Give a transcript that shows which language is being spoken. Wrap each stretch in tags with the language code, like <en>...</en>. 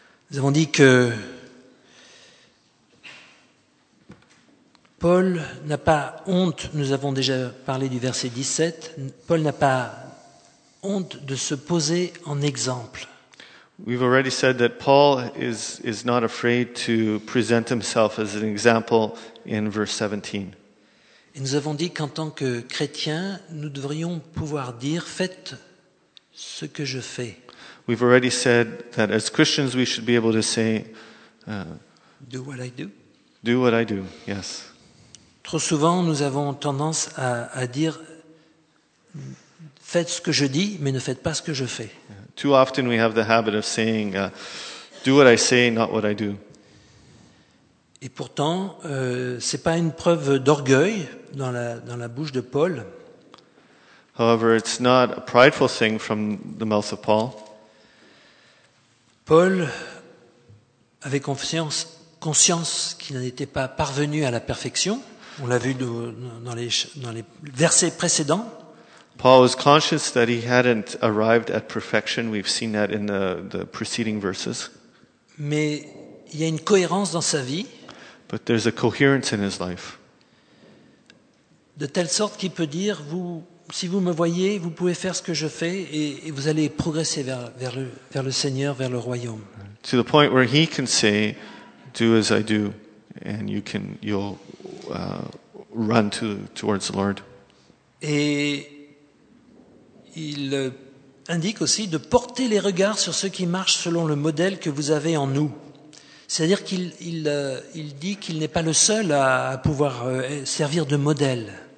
<fr>Nous avons dit que Paul n'a pas honte, nous avons déjà parlé du verset 17, Paul n'a pas honte de se poser en exemple.</fr> <en>We've already said that Paul is not afraid to present himself as an example in verse 17.</en> <fr>Et nous avons dit qu'en tant que chrétiens, nous devrions pouvoir dire, faites ce que je fais.</fr> <en>We've already said that as Christians we should be able to say do what I do. Do what I do. Yes.</en> <fr>Trop souvent nous avons tendance à dire faites ce que je dis mais ne faites pas ce que je fais.</fr> <en>Too often we have the habit of saying do what I say not what I do.</en> <fr>Et pourtant c'est pas une preuve d'orgueil dans la bouche de Paul.</fr> <en>However, it's not a prideful thing from the mouth of Paul.</en> <fr>Paul avait conscience qu'il n'était pas parvenu à la perfection. On l'a vu dans les versets précédents.</fr> <en>Paul was conscious that he hadn't arrived at perfection. We've seen that in the preceding verses.</en> <fr>Mais il y a une cohérence dans sa vie.</fr> <en>But there's a coherence in his life.</en> <fr>De telle sorte qu'il peut dire, si vous me voyez, vous pouvez faire ce que je fais et vous allez progresser vers le Seigneur, vers le royaume.</fr> <en>To the point where he can say, do as I do, and you'll run towards the Lord.</en> <fr>Et il indique aussi de porter les regards sur ceux qui marchent selon le modèle que vous avez en nous. C'est-à-dire qu'il dit qu'il n'est pas le seul à pouvoir servir de modèle.</fr>